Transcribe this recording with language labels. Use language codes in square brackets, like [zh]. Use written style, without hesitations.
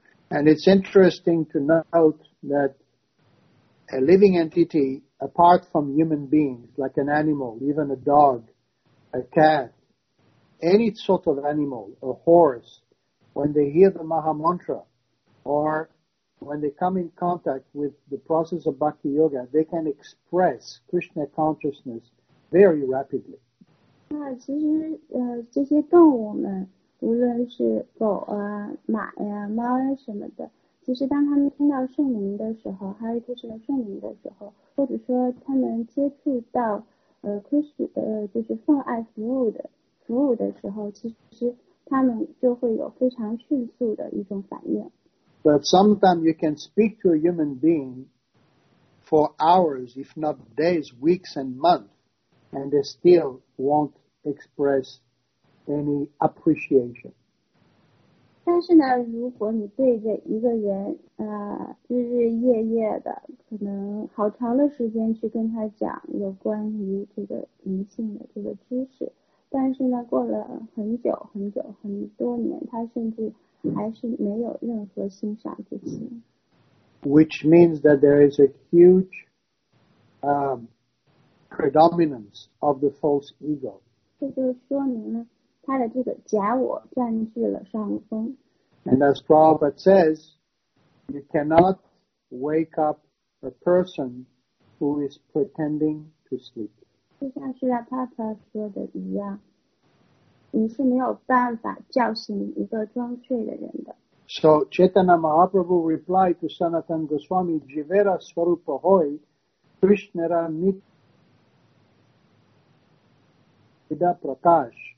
[en] And it's interesting to note that a living entity, apart from human beings, like an animal, even a dog, a cat, any sort of animal, a horse, when they hear the Maha Mantra,or when they come in contact with the process of Bhakti Yoga, they can express Krishna consciousness very rapidly. [zh] 那其实这些动物们，无论是狗啊、马呀、猫呀什么的，其实当他们听到圣名的时候，还有就是圣名的时候，或者说他们接触到就是奉爱服务的时候，其实他们就会有非常迅速的一种反应。 [en] But sometimes you can speak to a human being for hours, if not days, weeks and months, and they still won't express any appreciation. [zh] 但是呢，如果你对着一个人日日夜夜的，可能好长的时间去跟他讲有关于这个灵性的这个知识，但是呢，过了很久很久很多年，他甚至还是没有任何欣赏之心。 [en] Which means that there is a huge predominance of the false ego. [zh] 这就说明了他的这个假我占据了上风。 [en] And as Prabhupada says, you cannot wake up a person who is pretending to sleep. [zh] 就像是他爸爸说的一样，你是没有办法叫醒一个装睡的人的。 [en] So, Chaitanya Mahaprabhu replied to Sanatana Goswami, [bn] Jivera Swarupa Hoi, Krishnara Nida Prakash.